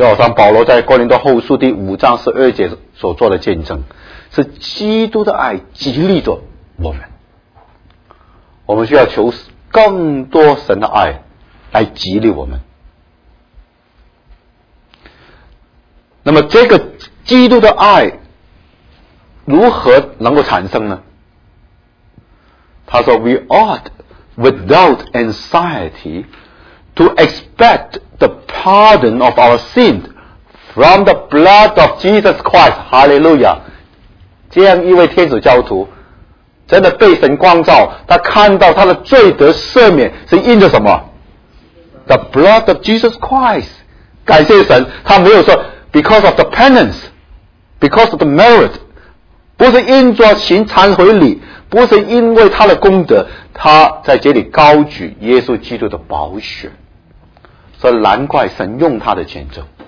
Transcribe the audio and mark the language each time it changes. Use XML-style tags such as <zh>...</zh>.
<zh>就好像保罗在哥林多后书第五章十二节所做的见证，是基督的爱激励着我们，我们需要求更多神的爱来激励我们。那么这个基督的爱如何能够产生呢？他说</zh> <en>We ought without anxiety to expect the pardon of our sins from the blood of Jesus Christ. Hallelujah.</en> <zh>这样一位天主教徒真的被神光照，他看到他的罪得赦免是因着什么？</zh> <en>The blood of Jesus Christ.</en> <zh>感谢神，他没有说</zh> <en>because of the penance, because of the merit,</en> <zh>不是因着行忏悔礼，不是因为他的功德，他在这里高举耶稣基督的宝血，所以难怪神用他的见证。</zh>